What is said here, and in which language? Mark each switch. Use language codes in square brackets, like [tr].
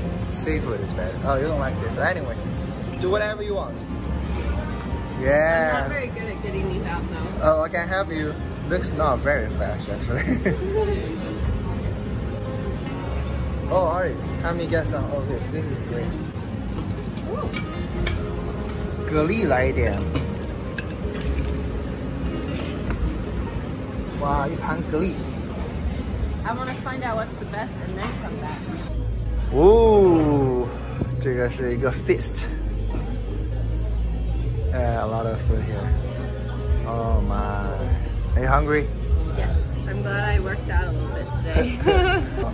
[en] Seafood is better. Oh, you don't like seafood. But anyway, do whatever you want. Yeah. I'm not very good at getting these out, though. Oh, I can help you. Looks not very fresh, actually. Oh, Ari, help me get some of this. This is great. Ooh. [zh] 蛤蜊来一点，哇，一盘蛤蜊。 [en] I wanna find out what's the best and then come back. Ooh, [zh] 这个是一个 feast. [en] Yeah, a lot of food here. Oh my, are you hungry? Yes, I'm glad I worked out a little bit today.